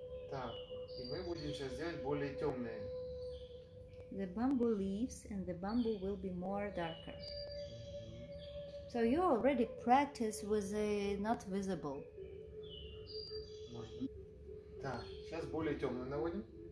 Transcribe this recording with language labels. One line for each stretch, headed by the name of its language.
Russian: Так, и мы будем сейчас делать более темные.
English: The bamboo leaves and the bamboo will be more darker. So you already practice with the not visible.
Russian: Так, сейчас более темные наводим.